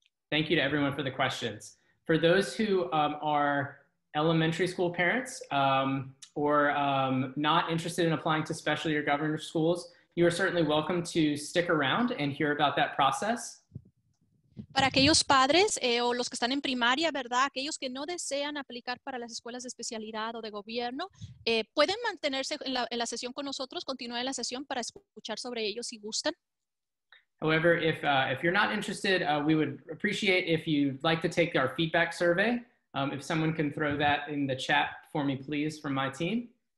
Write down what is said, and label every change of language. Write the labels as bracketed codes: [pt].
[en] Thank you to everyone for the questions. For those who are elementary school parents or not interested in applying to special year governor schools, you are certainly welcome to stick around and hear about that process. [es] Para aquellos padres o los que están en primaria, ¿verdad? Aquellos que no desean aplicar para las escuelas de especialidad o de gobierno, pueden mantenerse en la sesión con nosotros, continuar la sesión para escuchar sobre ellos si gustan. [en] However, if you're not interested, we would appreciate if you'd like to take our feedback survey. If someone can throw that in the chat for me, please, from my team.